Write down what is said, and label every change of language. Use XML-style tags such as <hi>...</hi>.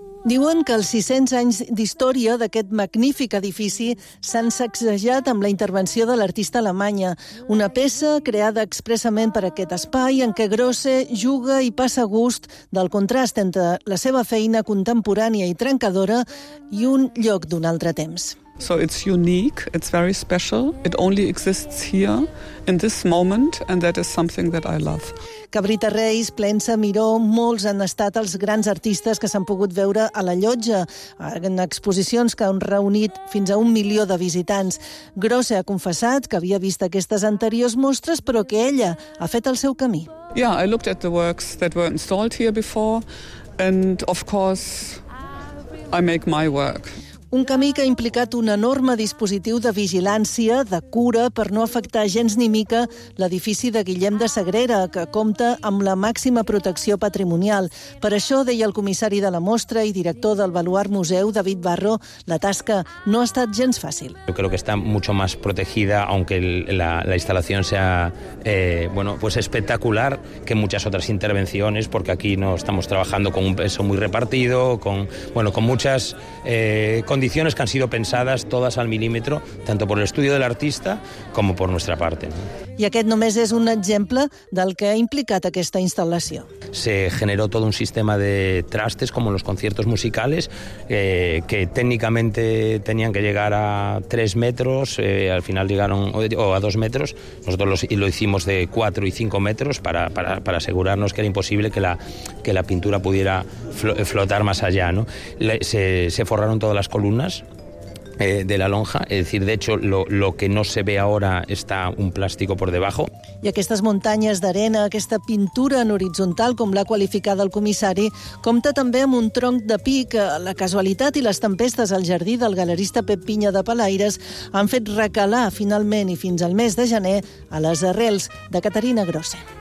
<ca>Diuen que els 600 anys d'història d'aquest magnífic edifici s'han sacsejat amb la intervenció de l'artista alemanya, una peça creada expressament per aquest espai en què Grosse juga i passa gust del contrast entre la seva feina contemporània i trencadora i un lloc d'un altre temps.</ca> <en>So it's unique, it's very special. It only exists here in this moment and that is something that I love.</en> <ca>Cabrita Reis, Plensa, Miró, molts han estat els grans artistes que s'han pogut veure a la Llotja, en exposicions que han reunit fins a 1 milió de visitants. Grosse ha confessat que havia vist aquestes anteriors mostres, però que ella ha fet el seu camí.</ca> <en>Yeah, I looked at the works that were installed here before and of course I make my work.</en> <ca>Un camí que ha implicat un enorme dispositiu de vigilància, de cura, per no afectar gens ni mica l'edifici de Guillem de Sagrera, que compta amb la màxima protecció patrimonial. Per això, deia el comissari de la mostra i director del Baluart Museu, David Barro, la tasca no ha estat gens fàcil.</ca> <es>Yo creo que está mucho más protegida, aunque la instalación sea pues espectacular, que muchas otras intervenciones, porque aquí no estamos trabajando con un peso muy repartido, con muchas condiciones que han sido pensadas todas al milímetro, tanto por el estudio del artista como por nuestra parte.</es> <ca>I aquest només és un exemple del que ha implicat aquesta instal·lació.</ca> <es>Se generó todo un sistema de trastes, como los conciertos musicales, que técnicamente tenían que llegar a 3 metros, al final llegaron a 2 metros, nosotros lo hicimos de 4 y 5 metros para asegurarnos que era imposible que la pintura pudiera flotar más allá, ¿no? Se forraron todas las columnas, de la lonja, es decir, de hecho lo que no se ve ahora está un plástico por debajo.</es> <ca>I aquestes muntanyes d'arena, aquesta pintura en horitzontal, com l'ha qualificat el comissari, compta també amb un tronc de pi que la casualitat i les tempestes al jardí del galerista Pep Pinya de Palaires han fet recalar finalment i fins al mes de gener a les arrels de Caterina Grosse.</ca>